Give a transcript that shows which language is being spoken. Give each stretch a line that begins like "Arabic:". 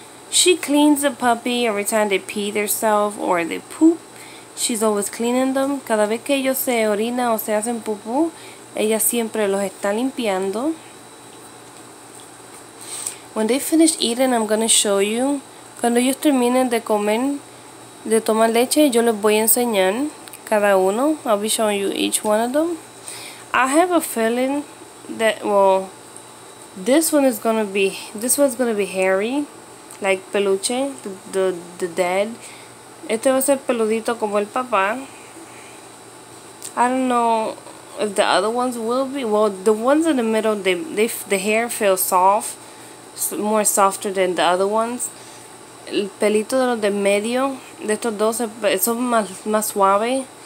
English: She cleans the puppy every time they pee themselves or they poop. She's always cleaning them.
Spanish: Cada vez que ellos se orina o se hacen pupú, ella siempre los está limpiando.
English: When they finish eating, I'm going to show you.
Spanish: Cuando ellos terminen de comer, de tomar leche, yo les voy a enseñar. Cada uno.
English: I'll be showing you each one of them. I have a feeling that, well, this one's gonna be hairy, like peluche, the dad.
Spanish: Este va a ser peludito como el papá.
English: I don't know if the other ones will be. Well, the ones in the middle, the hair feels soft, more softer than the other ones.
Spanish: El pelito de los de medio, de estos dos, son más suaves.